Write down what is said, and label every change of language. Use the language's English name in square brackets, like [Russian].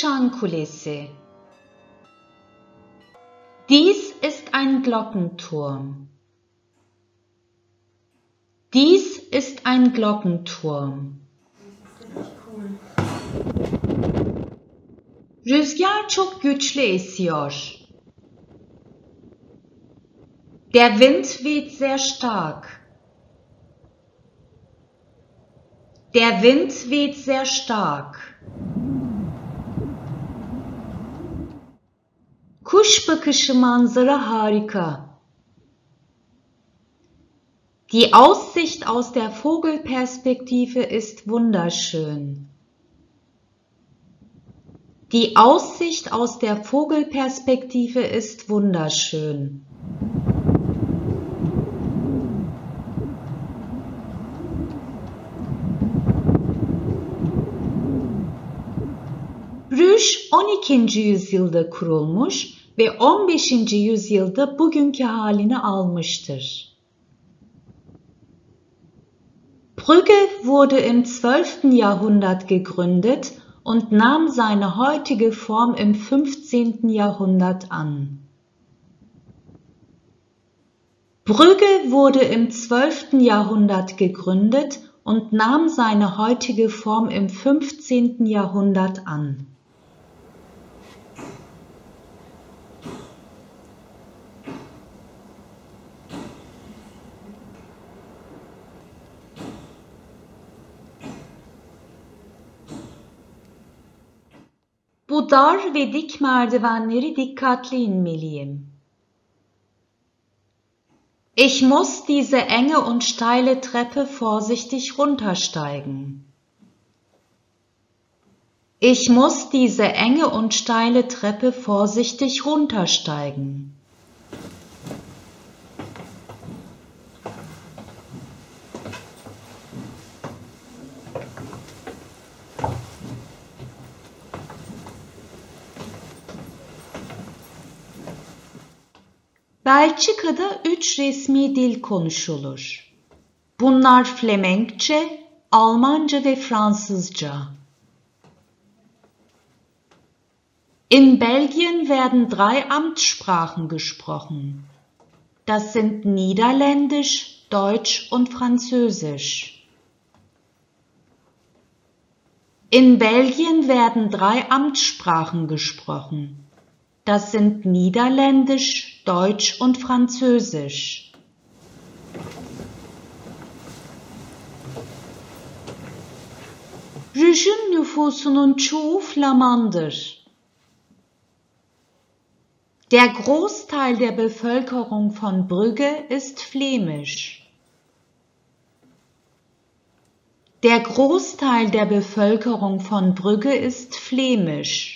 [Turkish] Kulesi. [German] Dies ist ein Glockenturm. Dies ist ein Glockenturm. [Turkish] Rüzgar çok güçlü esiyor. [German] Der Wind weht sehr stark. Der Wind weht sehr stark. [Turkish] Kuş bakışı manzara harika. [German] Die Aussicht aus der Vogelperspektive ist wunderschön. Die Aussicht aus der Vogelperspektive ist wunderschön. [Turkish] Brüj 12. yüzyılda kurulmuş ve 15. yüzyılda bugünkü halini almıştır. [German] Brügge wurde im 12. Jahrhundert gegründet und nahm seine heutige Form im 15. Jahrhundert an. Brügge wurde im 12. Jahrhundert gegründet und nahm seine heutige Form im 15. Jahrhundert an. [Turkish] Bu dar ve dik merdivenleri dikkatli inmeliyim. [German] Ich muss diese enge und steile Treppe vorsichtig runtersteigen. Ich muss diese enge und steile Treppe vorsichtig runtersteigen. [Turkish] Belçika'da üç resmi dil konuşulur. Bunlar Flemenkçe, Almanca ve Fransızca. [German] In Belgien werden drei Amtssprachen gesprochen. Das sind Niederländisch, Deutsch und Französisch. In Belgien werden drei Amtssprachen gesprochen. Das sind Niederländisch, Deutsch und Französisch. [Turkish] Rüjün nüfusunun çoğu Flamandır. [German] Der Großteil der Bevölkerung von Brügge ist flämisch. Der Großteil der Bevölkerung von Brügge ist flämisch.